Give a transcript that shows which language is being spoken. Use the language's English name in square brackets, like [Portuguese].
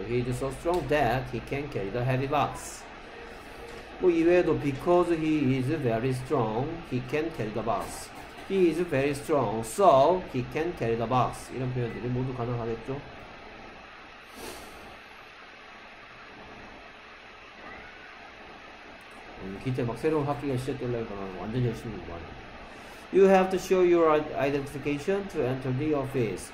[English] He is so strong that he can carry the heavy box. [Korean] 뭐 이외에도 [English] because he is very strong, he can carry the box. He is very strong, so he can carry the box. [Korean] 이런 표현들이 모두 가능하겠죠. 기태 막 새로운 학기가 시작되려니까 완전 열심히 공부하네. [English] You have to show your identification to enter the office.